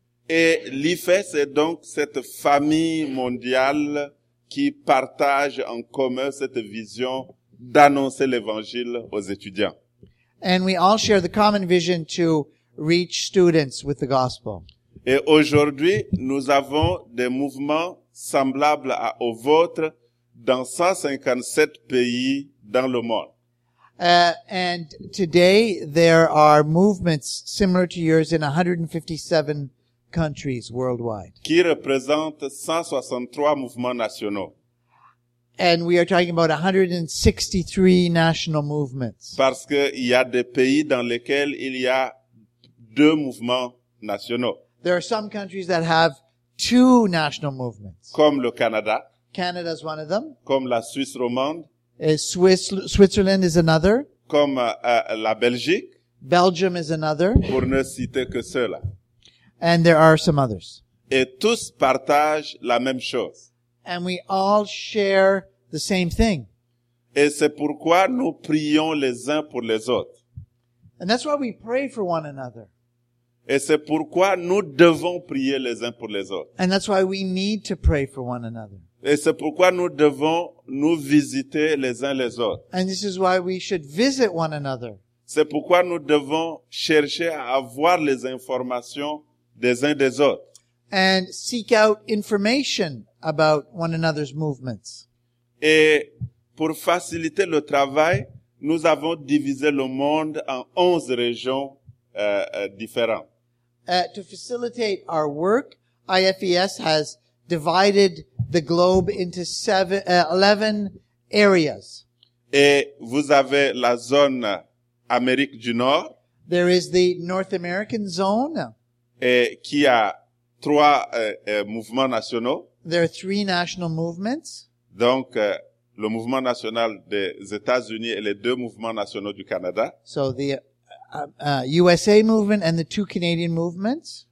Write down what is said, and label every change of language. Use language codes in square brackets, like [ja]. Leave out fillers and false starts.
[fr] Et l'IFES est donc cette famille mondiale qui partage en commun cette vision d'annoncer l'évangile aux étudiants. [en] And we all share the common vision to reach students with the gospel. [fr] Et aujourd'hui, nous avons des mouvements semblables au vôtre dans 157 pays dans le monde. [en] And today there are movements similar to yours in 157 countries worldwide. [fr] Qui représente 163 mouvements nationaux. [en] And we are talking about 163 national movements. [fr] Parce qu'il y a des pays dans lesquels il y a deux mouvements nationaux. [en] There are some countries that have two national movements. [fr] Comme le Canada. [en] Canada is one of them. [fr] Comme la Suisse romande. [en] Switzerland is another. [fr] Comme la Belgique. [en] Belgium is another. [fr] Pour ne citer que ceux-là. [en] And there are some others. [fr] Et tous partagent la même chose. [en] And we all share the same thing. [fr] Et c'est pourquoi nous prions les uns pour les autres. [en] And that's why we pray for one another. [fr] Et c'est pourquoi nous devons prier les uns pour les autres. [en] And that's why we need to pray for one another. [fr] Et c'est pourquoi nous devons nous visiter les uns les autres. [en] And this is why we should visit one another. [fr] C'est pourquoi nous devons chercher à avoir les informations des uns des autres. [en] And seek out information about one another's movements. [fr] Et pour faciliter le travail, nous avons divisé le monde en 11 régions différentes. [en] To facilitate our work, IFES has divided the globe into 11 areas. [fr] Et vous avez la zone Amérique du Nord. [en] There is the North American zone. [fr] Et qui a trois mouvements nationaux. [en] There are three national movements. [fr] Donc, le mouvement national des États-Unis et les deux mouvements nationaux du Canada. [en] So the USA movement and the two Canadian movements.